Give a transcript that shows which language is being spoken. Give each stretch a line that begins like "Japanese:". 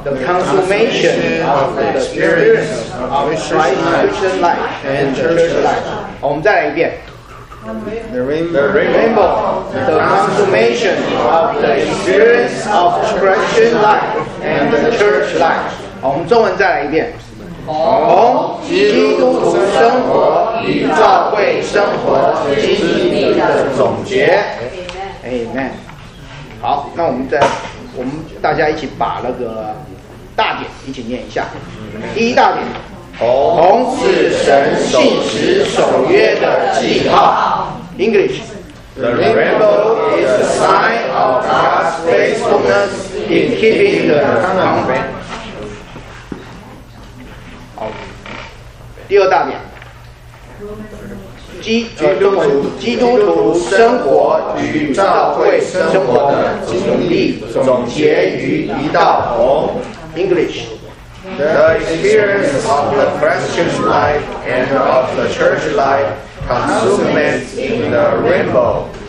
English: the consummation of the experience of Christian life and church life.
Chinese: 我们再来一遍。
English: The rainbow, the consummation of the experience of Christian life and the church life.
Chinese: 我们中文再来一遍。从基督徒生活与教会生活经历的总结。 Amen。 好，那我们再。我们大家一起把那个大点一起念一下。第一大点，红是神信实守约的记号。
English: English。 The rainbow is a sign of God's faithfulness in keeping the covenant。
Chinese: 好。第二大点，基督徒生活与教会生活的经历总结于一道红。
English: English。 The experience of the Christian life and of the church life consummates in the rainbow。